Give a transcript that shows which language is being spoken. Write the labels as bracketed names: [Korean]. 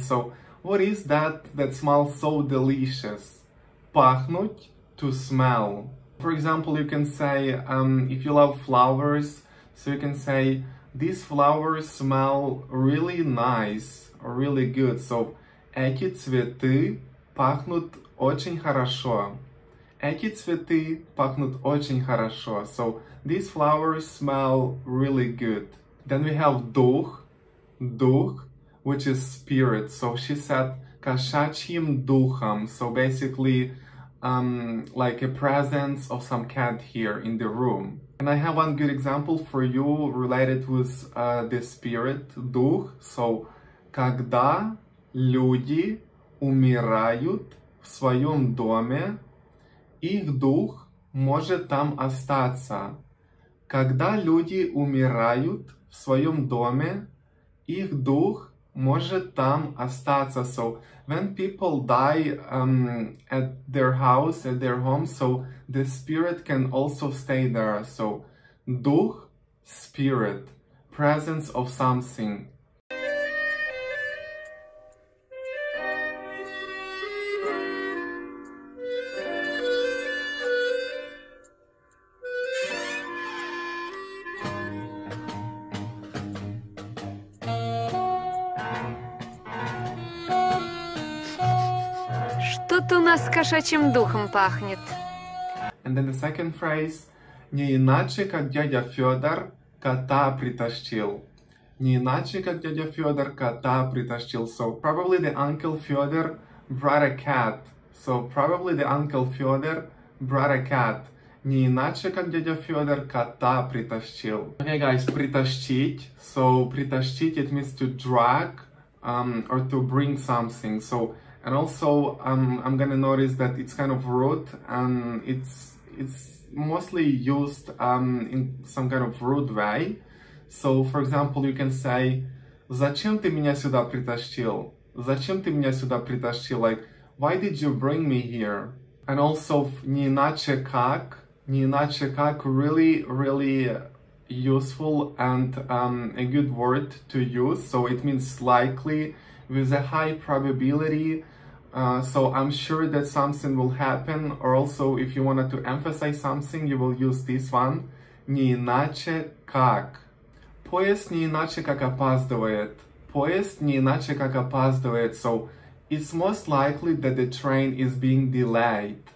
[English] So, what is that that smells so delicious? Пахнуть, to smell. For example, you can say, if you love flowers, so you can say, these flowers smell really nice, really good. [Russian] So, эти цветы пахнут очень хорошо. Эти цветы пахнут очень хорошо. [English] So, these flowers smell really good. Then we have дух. Дух, which is spirit. So she said [Russian] кошачьим духом. [English] So basically, like a presence of some cat here in the room. And I have one good example for you related with the spirit, дух. [Russian] So, когда люди умирают в своем доме, их дух может там остаться. Когда люди умирают в своем доме, их дух может там остаться. [English] So, when people die at their house, at their home, so the spirit can also stay there. So, дух, spirit, presence of something. [Russian] Что-то у нас кошачьим духом пахнет. [English] And then the second phrase. [Russian] Не иначе, как дядя Фёдор кота притащил. Не иначе, как дядя Фёдор кота притащил. [English] So, probably the uncle Fёдор brought a cat. So, probably the uncle Fёдор brought a cat. [Russian] Не иначе, как дядя Фёдор кота притащил. [English] Okay, guys, притащить. So, притащить, it means to drag or to bring something. So, and also, I'm gonna notice that it's kind of rude, and it's mostly used in some kind of rude way. So, for example, you can say, [Russian] "Зачем ты меня сюда притащил? Зачем ты меня сюда притащил?" [English] Like, why did you bring me here? And also, [Russian] не иначе как, [English] really, really useful and a good word to use. So it means likely, with a high probability. So I'm sure that something will happen, or also if you wanted to emphasize something, you will use this one. [Russian] Не иначе как. Поезд не иначе как опаздывает. Поезд не иначе как опаздывает. [English] So it's most likely that the train is being delayed.